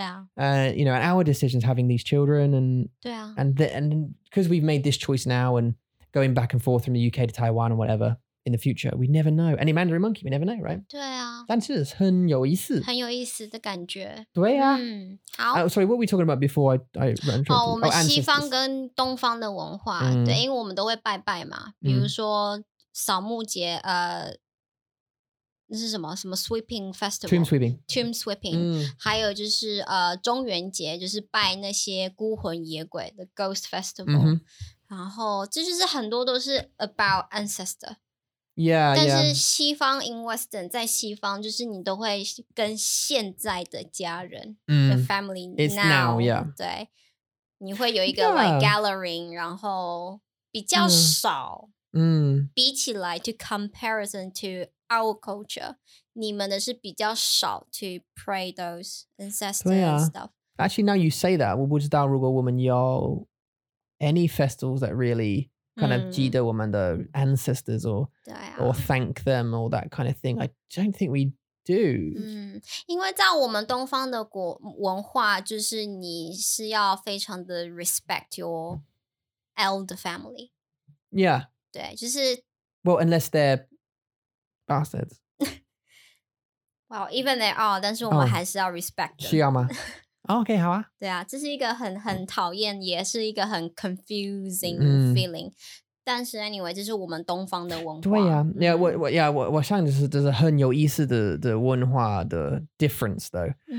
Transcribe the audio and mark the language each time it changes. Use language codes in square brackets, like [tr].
[en] 啊 you know and our decisions having these children and [zh] 对啊 [en] and because we've made this choice now and going back and forth from the UK to Taiwan or whatever in the future we never know any Mandarin monkey we never know right [zh] 对啊但是很有意思很有意思的感觉对啊、嗯、好 [en] sorry what were we talking about before I ran [zh] through、oh, 我们西方跟东方的文化、嗯、对因为我们都会拜拜嘛比如说扫墓节、嗯、那是什么什么 [en] sweeping festival Tomb sweeping、嗯、 [zh] 还有就是、中元节就是拜那些孤魂野鬼 [en] the ghost festival、 [zh] 嗯、然后这就是很多都是 [en] about ancestor Yeah, [zh] 但是西方 [en] in Western [zh] 在西方就是你都会跟现在的家人、 [en] the family now yeah [zh] 对你会有一个 like gathering 然后比较少、比起来 [en] to comparison to our culture [zh] 你们的是比较少 [en] to pray those ancestors、啊、 and stuff Actually, now you say that, [zh] 我不知道如果我们有 [en] any festivals that really kind of [zh] 记得我们的 [en] ancestors or, [zh] 对啊, [en] or thank them or that kind of thing. I don't think we do. [zh] 因为在我们东方的文化就是你是要非常的 [en] respect your elder family. Yeah. [zh] 对,就是 [en] Well, unless they're bastards. Well, even they are, [zh] 但是我们还是要 [en] respect them. [zh] 需要吗? [en] Oh, okay, [zh] 好啊。对啊,这是一个很讨厌, 也是一个很 [en] confusing feeling. [zh] 但是 anyway, 这是我们东方的文化。对啊, yeah, 我想就是很有意思的文化的 [en] difference though.